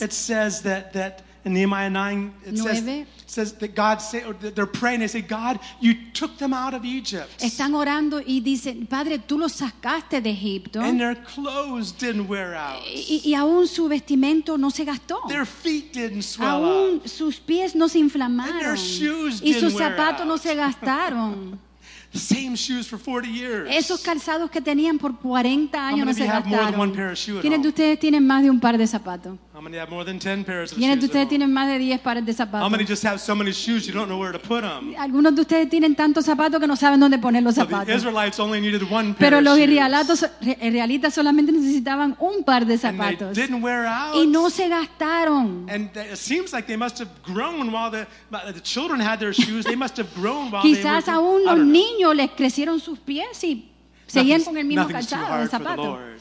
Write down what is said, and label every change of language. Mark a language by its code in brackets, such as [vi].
[en] it says that in Nehemiah 9, it says that God say, or they're praying, they say, God, you took them out of Egypt. [es] Están orando y dicen, Padre, tú los sacaste de Egipto. [en] And their clothes didn't wear out. [es] Y aún su vestimento no se gastó. [en] Their feet didn't swell [es] aún [en] up. [es] Aún sus pies no se inflamaron. [en] And their shoes [es] y sus zapatos no se gastaron. [en] Same shoes for 40 years. [es] Esos calzados que tenían por 40 años no se gastaron. ¿Quiénes de ustedes tienen más de un par de zapatos? [en] How many have more than 10 pairs of shoes? [es] ¿Quiénes de ustedes tienen más de 10 pares de zapatos? [en] How many just have so many shoes you don't know where to put them? [es] Algunos de ustedes tienen tantos zapatos que no saben dónde poner los zapatos. [en] The Israelites only needed one pair. [es] Pero los israelitas solamente necesitaban un par de zapatos. [en] And they didn't wear out. [es] Y no se gastaron. [en] And it seems like they must have grown while the children had their shoes. They must have grown while they were. [es] Quizás aún los niños les crecieron sus pies y seguían con el mismo calzado, el zapato.